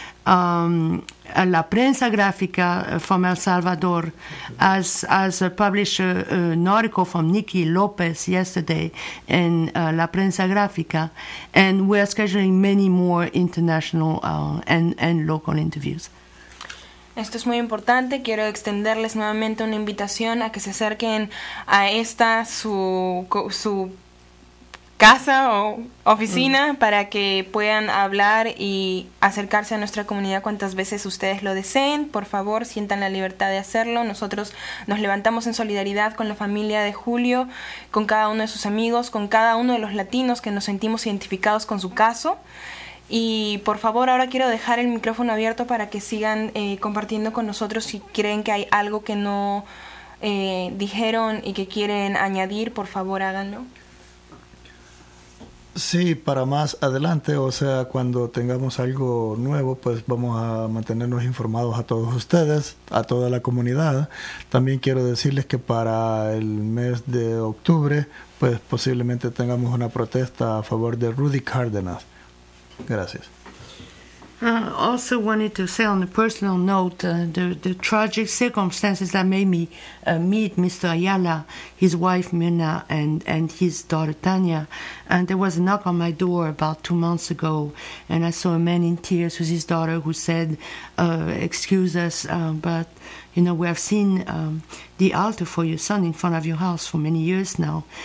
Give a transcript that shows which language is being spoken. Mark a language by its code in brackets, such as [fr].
[en] La Prensa Gráfica from El Salvador has published an article from Nikki Lopez yesterday in La Prensa Gráfica, and we are scheduling many more international and local interviews. [es] Esto es muy importante. Quiero extenderles nuevamente una invitación a que se acerquen a esta, su casa o oficina, para que puedan hablar y acercarse a nuestra comunidad cuantas veces ustedes lo deseen. Por favor, sientan la libertad de hacerlo. Nosotros nos levantamos en solidaridad con la familia de Julio, con cada uno de sus amigos, con cada uno de los latinos que nos sentimos identificados con su caso. Y por favor, ahora quiero dejar el micrófono abierto para que sigan compartiendo con nosotros. Si creen que hay algo que no dijeron y que quieren añadir, por favor, háganlo. Sí, para más adelante, o sea, cuando tengamos algo nuevo, pues vamos a mantenernos informados a todos ustedes, a toda la comunidad. También quiero decirles que para el mes de octubre, pues posiblemente tengamos una protesta a favor de Rudy Cárdenas. Gracias. [en] I also wanted to say on a personal note the tragic circumstances that made me meet Mr. Ayala, his wife Myrna, and his daughter Tanya. And there was a knock on my door about 2 months ago, and I saw a man in tears with his daughter who said, excuse us, but you know, we have seen the altar for your son in front of your house for many years now.